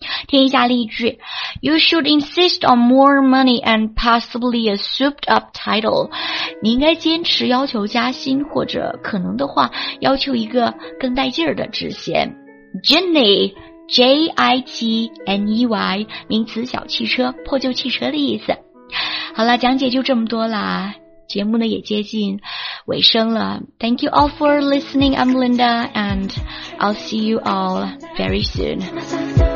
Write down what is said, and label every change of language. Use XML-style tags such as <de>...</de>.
<zh>听一下例句，</zh> <en>You should insist on more money and possibly a souped up title.</en> <zh>你应该坚持要求加薪，或者可能的话要求一个更带劲儿的职衔。 Jitney， J-I-T-N-E-Y， 名词，小汽车，破旧汽车的意思。好了，讲解就这么多啦，节目呢也接近尾声了。</zh> <en>Thank you all for listening. I'm Linda and I'll see you all very soon.</en>